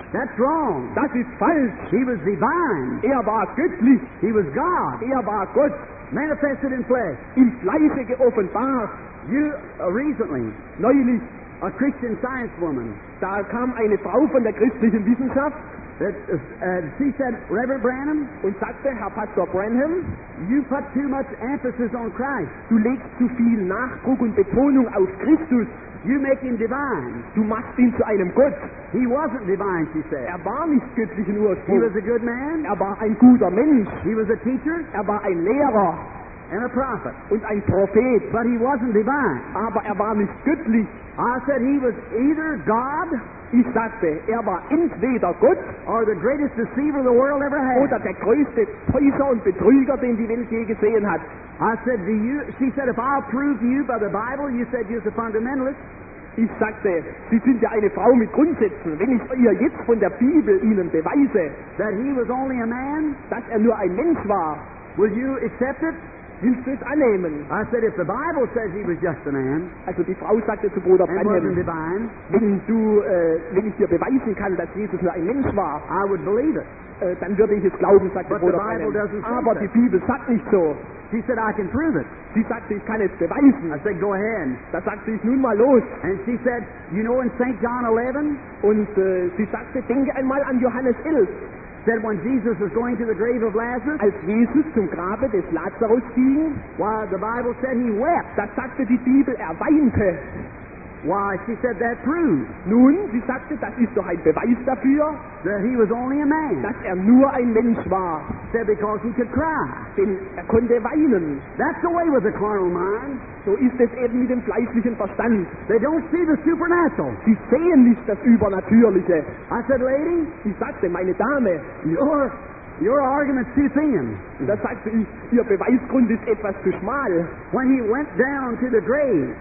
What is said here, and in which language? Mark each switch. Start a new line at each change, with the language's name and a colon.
English: That's wrong.
German: Das ist falsch.
English: He was divine.
German: Er war göttlich.
English: He was God.
German: Er war Gott.
English: Manifested in flesh.
German: Im Fleische geoffenbart.
English: You recently.
German: Neulich.
English: A Christian Science woman.
German: Da kam eine Frau von der christlichen Wissenschaft.
English: That, she said, Reverend Branham,
German: und sagte, Herr Pastor Branham,
English: you put too much emphasis on Christ.
German: Du legst zu viel Nachdruck und Betonung auf Christus.
English: You make him divine.
German: Du machst ihn zu einem Gott.
English: He wasn't divine, she said.
German: Er war nicht göttlich in Ursprung.
English: He was a good man.
German: Er war ein guter Mensch.
English: He was a teacher.
German: Er war ein Lehrer.
English: And a prophet.
German: Und ein Prophet.
English: But he wasn't divine.
German: Aber er war nicht göttlich.
English: I said he was either God.
German: Ich sagte, er war entweder Gott,
English: or the greatest deceiver the world ever had.
German: Oder der größte Täuscher und Betrüger, den die Welt je gesehen hat.
English: I said, do you, she said, if I'll prove you by the Bible, you said you're a fundamentalist.
German: Ich sagte, Sie sind ja eine Frau mit Grundsätzen. Wenn ich ihr jetzt von der Bibel Ihnen beweise,
English: that he was only a man,
German: dass er nur ein Mensch war,
English: will you accept it?
German: Willst du es annehmen?
English: I said, if the Bible says he was just a man,
German: also die Frau sagte zu Bruder Branham,
English: and divine,
German: wenn ich dir beweisen kann, dass Jesus nur ein Mensch war,
English: I would believe it.
German: Dann würde ich es glauben, sagte
English: but
German: Bruder Branham.
English: The Bible doesn't say
German: aber
English: that.
German: Die Bibel sagt nicht so.
English: She said, I can prove it.
German: Sie sagte, ich kann es beweisen.
English: I said, go ahead.
German: Da sagte ich, nun mal los.
English: And she said, you know in St. John 11?
German: Und sie sagte, denke einmal an Johannes 11.
English: Said when Jesus was going to the grave of Lazarus,
German: als Jesus zum Grabe des Lazarus ging,
English: why the Bible said he wept.
German: Da sagte die Bibel, er weinte.
English: Why she said that proves.
German: Nun, sie sagte, das ist doch ein Beweis dafür,
English: that he was only a man.
German: Dass er nur ein Mensch war.
English: Said because he could cry.
German: Denn er konnte weinen.
English: That's the way with a carnal mind.
German: So ist es eben mit dem fleischlichen Verstand.
English: They don't see the supernatural.
German: Sie sehen nicht das Übernatürliche.
English: I said, lady.
German: Sie sagte, meine Dame.
English: Your argument's too thin.
German: Da sagte ich, ihr Beweisgrund ist etwas zu schmal.
English: When he went down to the grave,